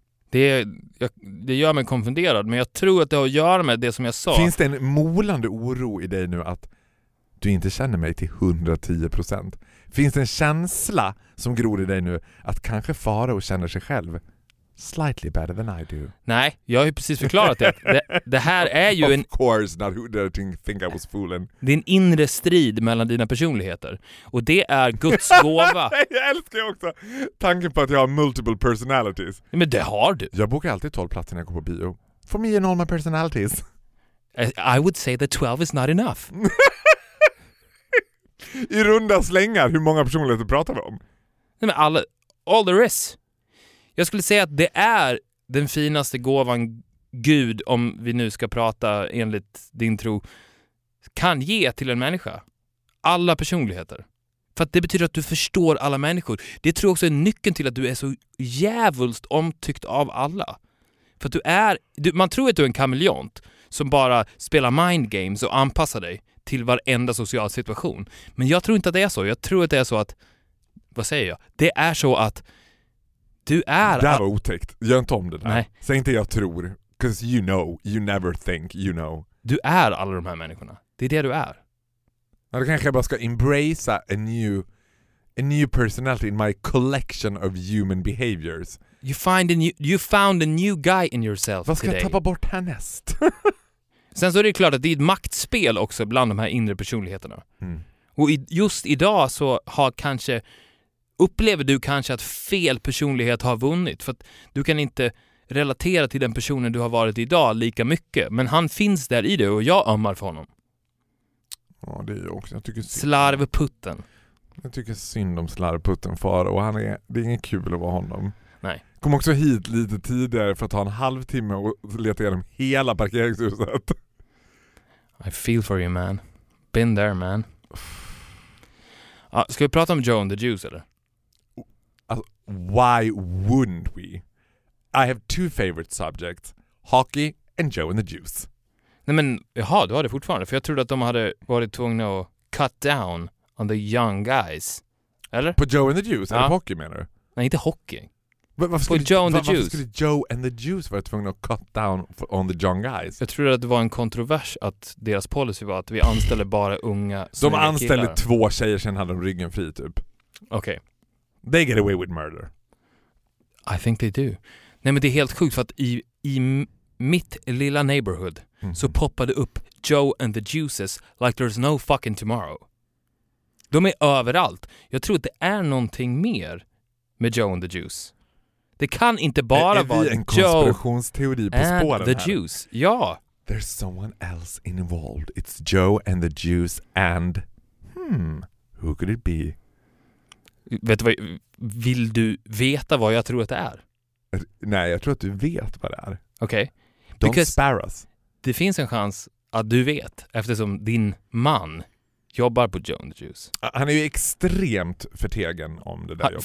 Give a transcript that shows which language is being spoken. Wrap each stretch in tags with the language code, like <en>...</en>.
<sv>Det gör mig konfunderad. Men jag tror att det har att göra med det som jag sa. Finns det en molande oro i dig nu att... Du inte känner mig till 110%. Finns en känsla som gror i dig nu att kanske Faro känner sig själv</sv> <en>slightly better than I do?</en> <sv>Nej, jag har ju precis förklarat det. Det här är ju</sv> <en>of course, not who did think I was fooling.</en> <sv>Det är en inre strid mellan dina personligheter. Och det är Guds gåva. Jag älskar ju också tanken på att jag har</sv> <en>multiple personalities.</en> <sv>Men det har du. Jag bokar alltid 12 platser när jag går på bio.</sv> <en>For me and all my personalities. I would say that 12 is not enough.</en> <sv>I runda slängar, hur många personligheter pratar vi om? Nej, men</sv> <en>all there is.</en> <sv>Jag skulle säga att det är den finaste gåvan Gud, om vi nu ska prata enligt din tro, kan ge till en människa. Alla personligheter. För att det betyder att du förstår alla människor. Det tror jag också är nyckeln till att du är så jävulst omtyckt av alla. För att man tror att du är en kameleont som bara spelar mind games och anpassar dig till varenda social situation. Men jag tror inte att det är så. Jag tror att det är så att, vad säger jag? Det är så att du är... Det var otäckt. Gör inte om det där. Nej. Säg inte jag tror.</sv> <en>Because you know. You never think. You know.</en> <sv>Du är alla de här människorna. Det är det du är. Ja, då kanske jag bara ska</sv> <en>embrace a new personality in my collection of human behaviors. You found a new guy in yourself today.</en> <sv>Vad ska</sv> <en>today?</en> <sv>Jag tappa bort här näst? Sen så är det klart att det är ett maktspel också bland de här inre personligheterna. Mm. Och just idag så upplever du kanske att fel personlighet har vunnit. För att du kan inte relatera till den personen du har varit idag lika mycket. Men han finns där i dig och jag ömmar för honom. Ja, det är också. Jag tycker slarvputten. Jag tycker synd om slarvputten, far. Och han är, det är ingen kul att vara honom. Nej. Kom också hit lite tidigare för att ha en halvtimme och leta igenom hela parkeringshuset.</sv> <en>I feel for you, man. Been there, man.</en> <sv>Ska vi prata om Joe and the Juice, eller?</sv> <en>Why wouldn't we? I have two favorite subjects. Hockey and Joe and the Juice.</en> <sv>Nej, men jaha, du har det fortfarande. För jag trodde att de hade varit tvungna att</sv> <en>cut down on the young guys.</en> <sv>Eller? På Joe and the Juice? Ja. Eller på hockey, menar du? Nej, inte hockey. Varför skulle Joe and the Juice vara tvungna att</sv> <en>cut down on the young guys?</en> <sv>Jag trodde att det var en kontrovers att deras policy var att vi anställer bara unga. De anställde två tjejer, sen hade de ryggen fri, typ. Okej.</sv> <en>Okay. They get away with murder. I think they do.</en> <sv>Nej, men det är helt sjukt, för att i mitt lilla neighborhood, mm-hmm, så poppade upp Joe and the Juices</sv> <en>like there's no fucking tomorrow.</en> <sv>De är överallt. Jag tror att det är någonting mer med Joe and the Juice. Det kan inte bara vara Joe. Är vi en konspirationsteori på spåren här? And the Juice, ja.</sv> <en>There's someone else involved. It's Joe and the Juice and... who could it be?</en> <sv>Vet du vad, vill du veta vad jag tror att det är? Nej, jag tror att du vet vad det är. Okej.</sv> <en>Okay. Don't spare us.</en> <sv>Det finns en chans att du vet, eftersom din man jobbar på Joe and the Juice. Han är ju extremt förtegen om det där jobbet.</sv>